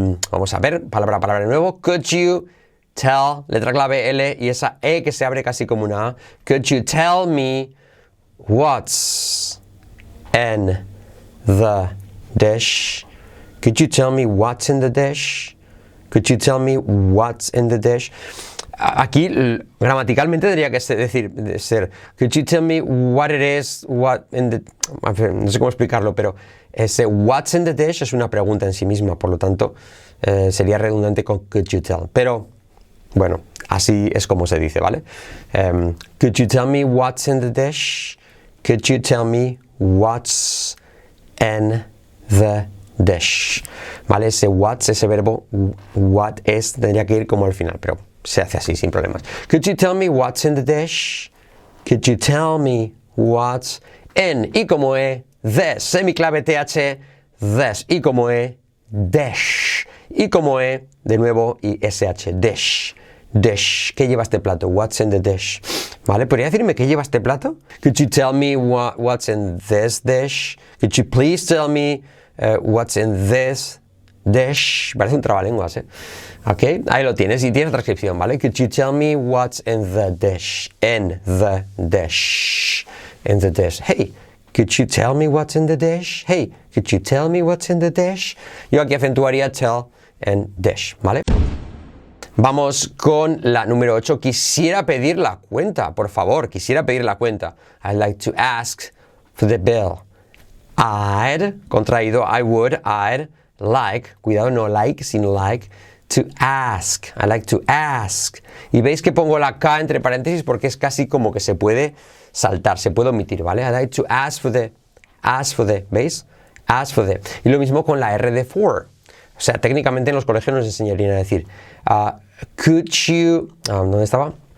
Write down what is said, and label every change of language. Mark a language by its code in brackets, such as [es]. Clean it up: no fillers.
[es] Vamos a ver, palabra a palabra de nuevo. [en] Could you tell, [es] letra clave L y esa E que se abre casi como una A. [en] Could you tell me what's in the dish? Could you tell me what's in the dish? Could you tell me what's in the dish? [es] Aquí, gramaticalmente, tendría que ser, [en] could you tell me what it is, what in the, [es] no sé cómo explicarlo, pero ese [en] what's in the dish [es] es una pregunta en sí misma, por lo tanto, sería redundante con could you tell, pero, bueno, así es como se dice, ¿vale? [en] Could you tell me what's in the dish? Could you tell me what's in the dish? [es] ¿Vale? Ese what's, ese verbo, what is, tendría que ir como al final, pero se hace así sin problemas. [en] Could you tell me what's in the dish? Could you tell me what's in? [es] Y como E, this. Semiclave TH, this. Y como E, dish. Y como E, de nuevo, y SH, dish. Dish. ¿Qué lleva este plato? [en] What's in the dish? [es] ¿Vale? ¿Podría decirme qué lleva este plato? [en] Could you tell me what's in this dish? Could you please tell me what's in this dish? [es] Parece un trabalenguas, ¿eh? Ok, ahí lo tienes y tienes la transcripción, ¿vale? [en] Could you tell me what's in the dish? In the dish. In the dish. Hey, could you tell me what's in the dish? Hey, could you tell me what's in the dish? [es] Yo aquí acentuaría [en] tell and dish, [es] ¿vale? Vamos con la número 8. Quisiera pedir la cuenta, por favor. Quisiera pedir la cuenta. [en] I'd like to ask for the bill. I'd, contraído, I would, I'd. Like, cuidado, no like, sino like, to ask, I like to ask. [es] Y veis que pongo la K entre paréntesis porque es casi como que se puede saltar, se puede omitir, ¿vale? [en] I like to ask for the, ¿veis? Ask for the. [es] Y lo mismo con la R de for. O sea, técnicamente en los colegios nos enseñarían a decir, [en] could you, [es] ¿dónde estaba?